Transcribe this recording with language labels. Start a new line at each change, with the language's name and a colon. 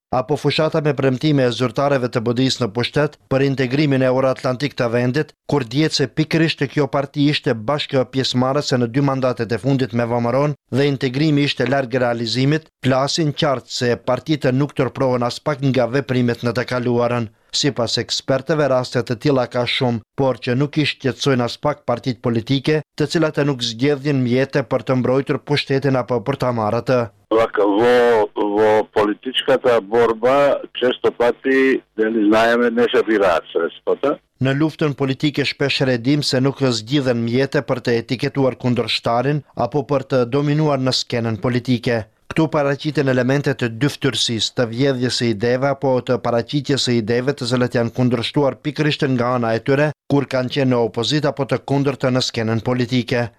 Albanian: apo fushata me premtime e zyrtareve të BDI-s në pushtet për integrimin euroatlantik të vendit, kur dihet se pikërisht kjo parti ishte bashkë pjesëmarrëse në dy mandatet e fundit me Vëmëron dhe integrimi ishte larg realizimit, plasin qartë se partitë nuk tërprohen as pak nga veprimet në të kaluarën. Sipas ekspertëve, rastet të tilla ka shumë, por që nuk i shqetësojnë as pak partitë politike, të cilat e nuk zgjedhin mjete për të mbrojtur pushtetin apo për ta marrë atë.
Macedonian: Во политичката борба често пати дали знаеме не се бираат средствата.
Albanian: Në luftën politike shpesh redim se nuk zgjidhen mjete për të etiketuar kundërshtarin apo për të dominuar në skenën politike. Këtu paraqiten elementet të dyftyrësisë, të vjedhjes së ideve apo të paraqitjes së ideve të cilat janë kundërshtuar pikërisht nga ana e tyre kur kanë qenë në opozitë apo të kundërta në skenën politike.